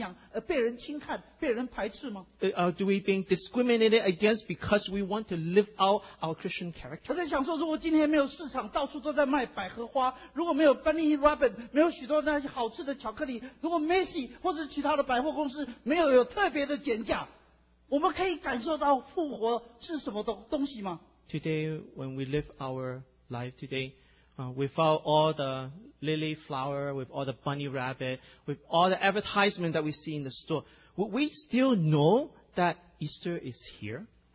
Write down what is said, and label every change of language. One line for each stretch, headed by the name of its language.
Chinese: 我们有人想要活出我们的信仰，被人轻看，被人排斥吗？
English: Do we being discriminated against because we want to live out our Christian character?
Chinese: 我在想说，如果今天没有市场，到处都在卖百合花，如果没有Bunny Robin，没有许多那些好吃的巧克力，如果Macy或者其他的百货公司没有特别的减价，我们可以感受到复活是什么东西吗？
English: Today, when we live our life today, without all the lily flower, with all the bunny rabbit, with all the advertisement that we see in the store, would we still know that Easter is here?